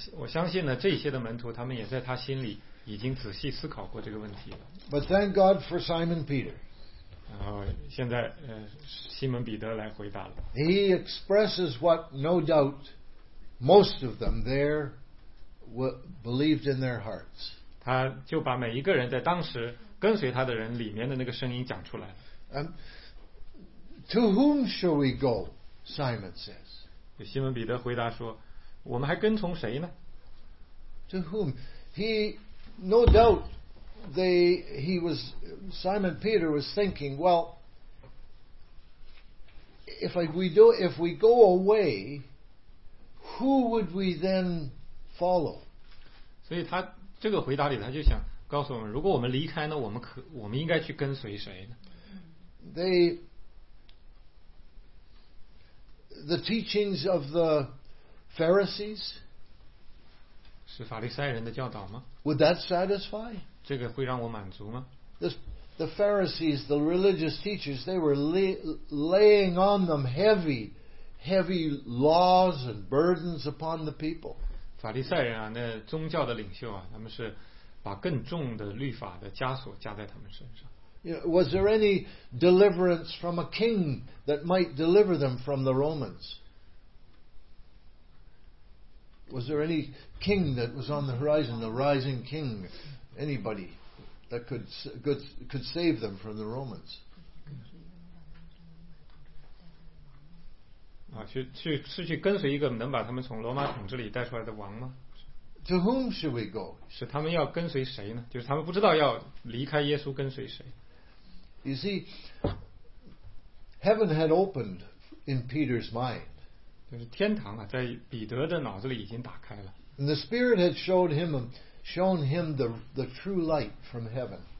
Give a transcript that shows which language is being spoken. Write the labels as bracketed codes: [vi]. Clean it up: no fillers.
[zh] 我相信呢，这些的门徒他们也在他心里已经仔细思考过这个问题了。 [en] But thank God for Simon Peter. [zh] 然后现在西门彼得来回答了。 [en] He expresses what no doubt most of them there believed in their hearts. [zh] 他就把每一个人在当时。跟随他的人里面的那个声音讲出来。 [en] To whom shall we go? Simon says. [zh] 西门彼得回答说：“我们还跟从谁呢 [en] ？”To whom? He, no doubt, they, he was, Simon Peter was thinking, well, if we go away, who would we then follow? [zh] 所以他这个回答里，他就想。告诉我们，如果我们离开呢？我们应该去跟随谁呢 [en] ？The teachings of the Pharisees [zh] 是法利赛人的教导吗 [en] ？Would that satisfy？ [zh] 这个会让我满足吗 [en] ？The Pharisees, the religious teachers, they were laying on them heavy laws and burdens upon the people. [zh] 法法利赛人啊，那宗教的领袖啊，他们是把更重的律法的枷锁加在他们身上。 [en] Was there any deliverance from a king that might deliver them from the Romans? Was there any king that was on the horizon, the rising king, anybody that could save them from the Romans? [zh] 啊，去跟随一个能把他们从罗马统治里带出来的王吗？ [en] To whom should we go? [zh] 是他们要跟随谁呢？就是他们不知道要离开耶稣跟随谁。 [en] You see, heaven had opened in Peter's mind. [zh] 就是天堂啊，在彼得的脑子里已经打开了。 [en] And the Spirit had shown him the true light from heaven.